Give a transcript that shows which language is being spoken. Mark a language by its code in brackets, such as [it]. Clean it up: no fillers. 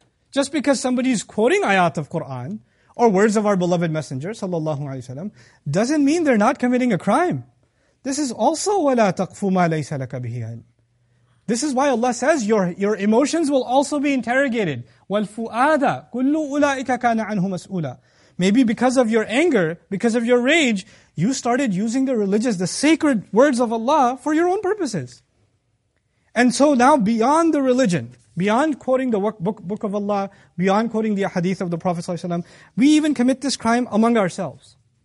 [en] Just because somebody's quoting ayat of Quran, or words of our beloved Messenger sallallahu alaihi wasallam, doesn't mean they're not committing a crime. This is also [ar] وَلَا تَقْفُ مَا لَيْسَ لَكَ بِهِ عِلْمٍ. [en] This is why Allah says your emotions will also be interrogated. [ar] وَالْفُؤَادَ كُلُّ أُولَٰئِكَ كَانَ عَنْهُ مَسْئُولًا. [en] Maybe because of your anger, because of your rage, you started using the religious, the sacred words of Allah for your own purposes. And so now beyond the religion, beyond quoting the book of Allah, beyond quoting the hadith of the Prophet ﷺ, we even commit this crime among ourselves.